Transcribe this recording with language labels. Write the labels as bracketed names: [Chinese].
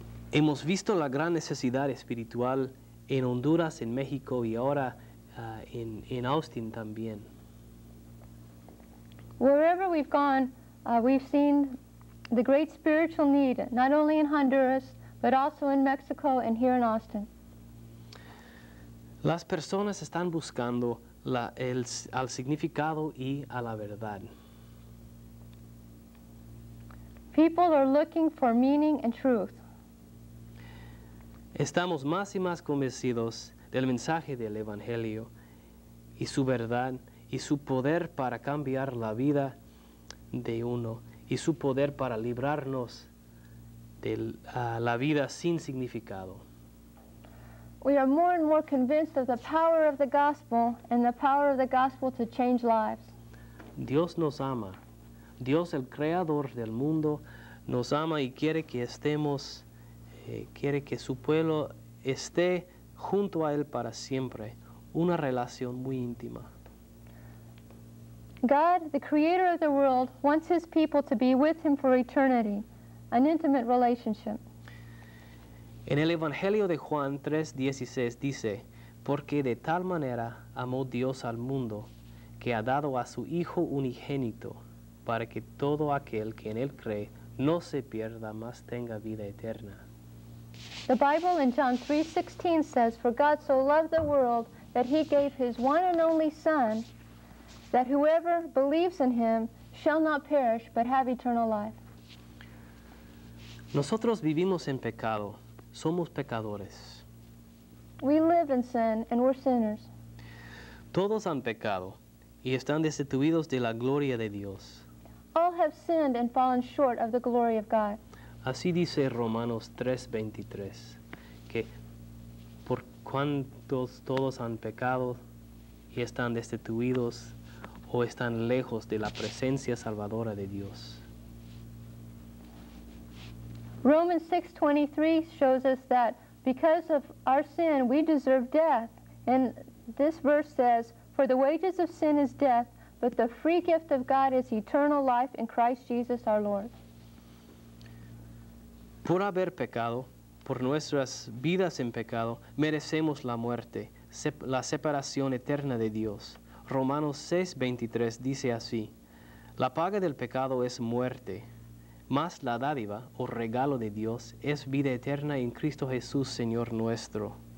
[Spanish] Hemos visto la gran necesidad espiritual en Honduras, en México y ahora en Austin también. [English] Wherever we've gone, we've seen the great spiritual need, not only in Honduras, but also in Mexico and here in Austin. [Spanish] Las personas están buscando al significado y a la verdad. [English] People are looking for meaning and truth. [Spanish] Estamos más y más convencidos del mensaje del Evangelio y su verdad, y su poder para cambiar la vida de uno y su poder para librarnos de la vida sin significado. [English] We are more and more convinced of the power of the gospel and the power of the gospel to change lives. [Spanish] Dios nos ama. Dios, el creador del mundo, nos ama y quiere que estemos, quiere que su pueblo esté junto a él para siempre. Una relación muy íntima. [English] God, the creator of the world, wants his people to be with him for eternity, an intimate relationship. [Spanish] En el Evangelio de Juan 3:16 dice, porque de tal manera amó Dios al mundo, que ha dado a su Hijo unigénito, para que todo aquel que en él cree no se pierda, mas tenga vida eterna. [English] The Bible in John 3:16 says, for God so loved the world that he gave his one and only Son, that whoever believes in him shall not perish, but have eternal life. [Spanish] Nosotros vivimos en pecado. Somos pecadores. [English] We live in sin, and we're sinners. [Spanish] Todos han pecado, y están destituidos de la gloria de Dios. [English] All have sinned and fallen short of the glory of God. [Spanish] Así dice Romanos 3:23, que por cuantos todos han pecado, y están destituidos, o están lejos de la presencia salvadora de Dios. [English] Romans 6:23 shows us that because of our sin, we deserve death. And this verse says, for the wages of sin is death, but the free gift of God is eternal life in Christ Jesus our Lord. [Spanish] Por haber pecado, por nuestras vidas en pecado, merecemos la muerte, la separación eterna de Dios. Romanos 6:23 dice así, la paga del pecado es muerte, mas la dádiva, o regalo de Dios, es vida eterna en Cristo Jesús, Señor nuestro.